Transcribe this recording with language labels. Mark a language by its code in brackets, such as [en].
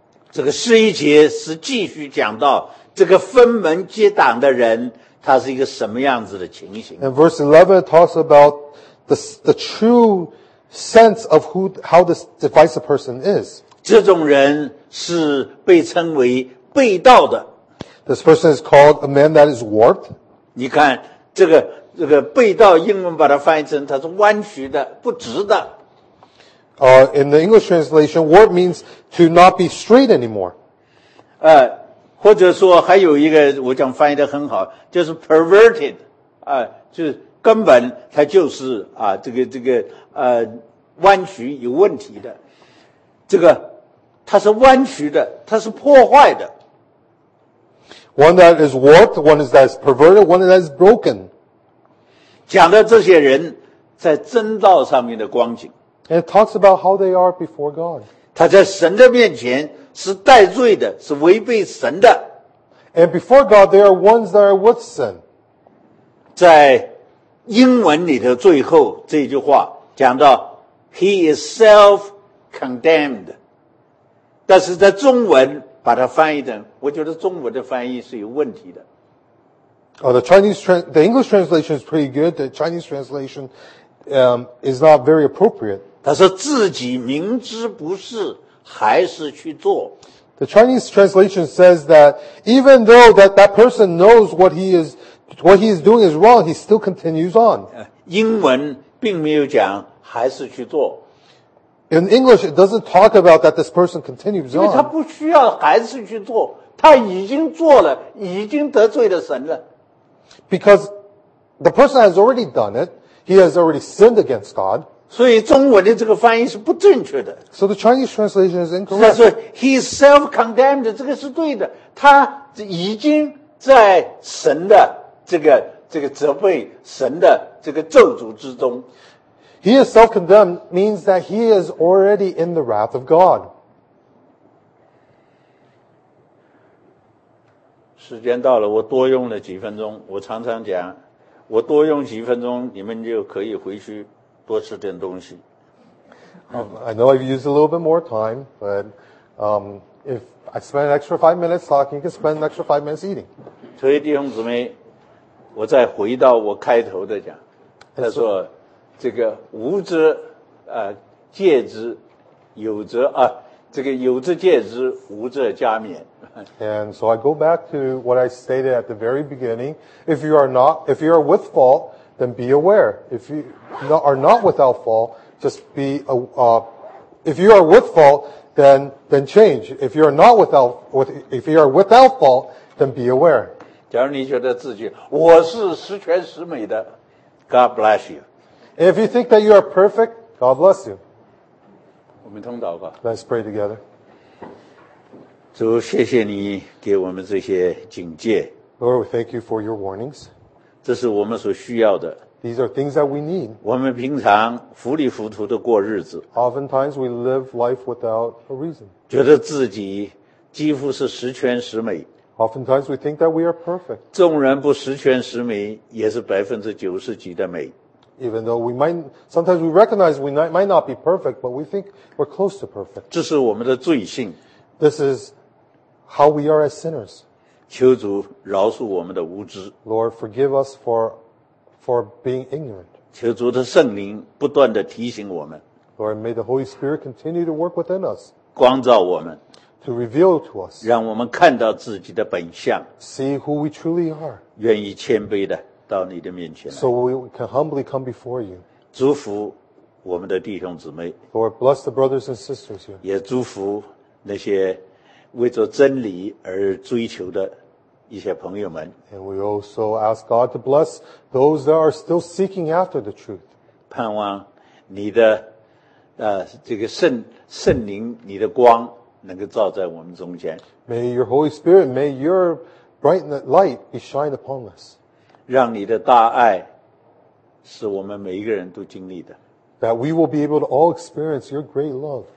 [zh] 这个十一节是继续讲到这个分门结党的人他是一个什么样子的情形。 [en] And verse 11 talks about the true sense of who, how this divisive person is. [zh] 这种人是被称为被盗的。 [en] This person is called a man that is warped. [zh] 你看这个被盗，英文把它翻译成它是弯曲的，不直的。 [en] In the English translation, warp means to not be straight anymore. [zh] 或者说还有一个我讲翻译的很好，就是 perverted. 就是根本它就是这个弯曲有问题的。这个它是弯曲的，它是破坏的。 [en] One that is warped, one that is perverted, one that is broken. [zh] 讲的这些人在真道上面的光景。 [en] And it talks about how they are before God. [zh] 他在神的面前是带罪的，是违背神的。 [en] And before God, they are ones that are with sin. [zh] 在英文里的最后这句话讲到 [en] He is self-condemned. [zh] 但是在中文把它翻译成，我觉得中文的翻译是有问题的。 [en] Oh, the English translation is pretty good. The Chinese translation, is not very appropriate. [zh] 他说自己明知不是，还是去做。 [en] The Chinese translation says that even though that person knows what he is doing is wrong, he still continues on. [zh] 英文并没有讲还是去做。 [en] In English, it doesn't talk about that this person continues on. [zh] 因为他不需要还是去做，他已经做了，已经得罪了神了。 [en] Because the person has already done it, he has already sinned against God. [zh] 所以中文的这个翻译是不正确的。 [en] So the Chinese translation is incorrect. [zh] 他说 [en] he is self-condemned, [zh] 这个是对的，他已经在神的这个责备，神的这个咒诅之中。 [en] He is self-condemned means that he is already in the wrath of God. [zh] 时间到了，我多用了几分钟。我常常讲，我多用几分钟，你们就可以回去多吃点东西。 [en] I know I've used a little bit more time, but if I spend an extra 5 minutes talking, you can spend an extra 5 minutes eating. [zh] 所以弟兄姊妹，我再回到我开头的讲，他说这个无知戒之，有知啊。这个有知戒之，无知加勉。 [en] And so I go back to what I stated at the very beginning. If you are not, if you are with fault, then be aware. If you are not without fault, just be a. If you are with fault, then change. If you are not without, if you are without fault, then be aware. [zh] 假如你觉得自己我是十全十美的 ， [en] God bless you. If you think that you are perfect, God bless you. [zh] 我们通祷吧。 [en] Let's pray together. [zh] 主，谢谢你给我们这些警戒。 [en] Lord, we thank you for your warnings. [zh] 这是我们所需要的。 [en] These are things that we need. [zh] 我们平常糊里糊涂地过日子。 [en] Oftentimes we live life without a reason. [zh] 觉得自己几乎是十全十美。 [en] Oftentimes we think that we are perfect. [zh] 纵然不十全十美，也是百分之九十几的美。 [en] Even though we might, sometimes we recognize we might not be perfect, but we think we're close to perfect. [zh] 这是我们的罪性。 [en] This is how we are as sinners. [zh] 求主饶恕我们的无知。 [en] Lord, forgive us for being ignorant. [zh] 求主的圣灵不断地提醒我们。 [en] Lord, may the Holy Spirit continue to work within us. [zh] 光照我们。 [en] To reveal to us. [zh] 让我们看到自己的本相。 [en] See who we truly are. [zh] 愿意谦卑的。到你的面前来。 [en] So we can humbly come before you. [zh] 祝福我们的弟兄姊妹。 [en] Lord, bless the brothers and sisters here. [zh] 也祝福那些为着真理而追求的一些朋友们。 [en] And we also ask God to bless those that are still seeking after the truth. [zh] 盼望你的这个圣灵，你的光能够照在我们中间。 [en] May your Holy Spirit, may your bright light be shined upon us. [zh] 让你的大爱是我们每一个人都经历的。 [en] That we will be able to all experience your great love.